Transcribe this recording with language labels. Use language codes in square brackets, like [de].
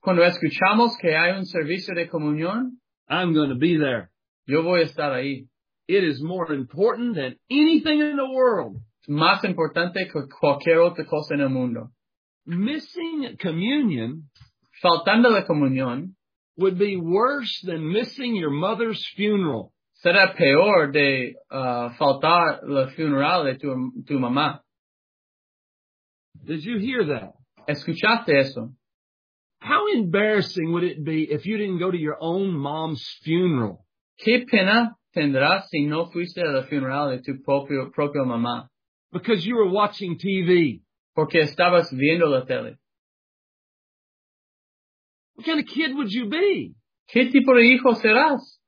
[es] cuando escuchamos que hay un servicio de comunión, [en] I'm going to be there. [es] Yo voy a estar ahí. [en] It is more important than anything in the world. [es] Más importante que cualquier otra cosa en el mundo. [en] Missing communion, [es] faltando la comunión, [en] would be worse than missing your mother's funeral. [es] Será peor de faltar la funeral de tu mamá. [en] Did you hear that? [es] ¿Escuchaste eso? [en] How embarrassing would it be if you didn't go to your own mom's funeral? [es] ¿Qué pena tendrás si no fuiste a la funeral de tu propio mamá? [en] Because you were watching TV. [es] Porque estabas viendo la tele. [en] What kind of kid would you be? [es] ¿Qué tipo de hijo serás?